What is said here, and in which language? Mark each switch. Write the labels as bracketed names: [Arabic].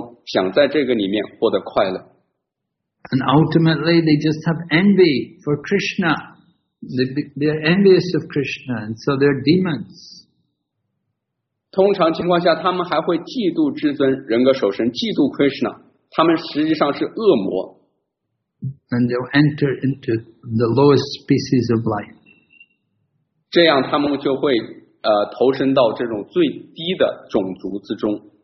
[Chinese] 但是他们想在这个物质世界的物质躯体之中，想在这个里面获得快乐。 [English] And ultimately, they just have envy for Krishna. They're envious of Krishna, and so they're demons. [Chinese] 通常情况下，他们还会嫉妒至尊、人格守神、嫉妒 Krishna. 他们实际上是恶魔。 [English] And they'll enter into the lowest species of life. [Chinese] 这样他们就会 投身到这种最低的种族之中。